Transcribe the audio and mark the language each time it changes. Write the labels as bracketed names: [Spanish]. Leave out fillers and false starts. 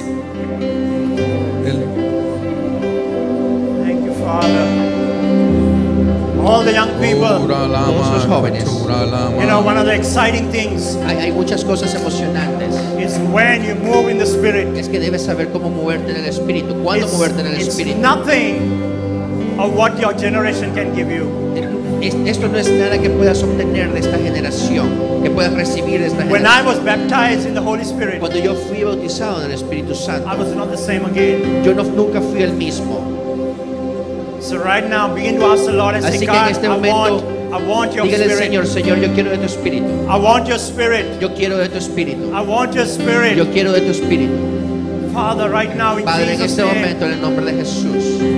[English] Thank you, Father. All the young people, [Spanish] todos los jóvenes. [English] You know, one of the exciting things. [Spanish] Hay muchas cosas emocionantes. [English] Is when you move in the spirit. [Spanish] Es que debes saber cómo moverte en el espíritu. Cuándo moverte en el espíritu. [English] It's nothing of what your generation can give you. [Spanish] Esto no es nada que puedas obtener de esta generación, que puedas recibir de esta [English] when [Spanish] generación. [English] When I was baptized in the Holy Spirit. [Spanish] Cuando yo fui bautizado en el Espíritu Santo. [English] I was not the same again. [Spanish] Yo no nunca fui el mismo. [English] So right now, begin to ask the Lord and say, God, I want your spirit. [Spanish] Señor, yo quiero de tu espíritu. [English] I want your spirit. [Spanish] Yo quiero de tu espíritu. [English] I want your spirit. [Spanish] Yo quiero de tu espíritu. [English] Father, right now, in [Spanish] Padre, [English] Jesus' [Spanish] en este [English] name, [Spanish] momento, en el nombre de Jesús,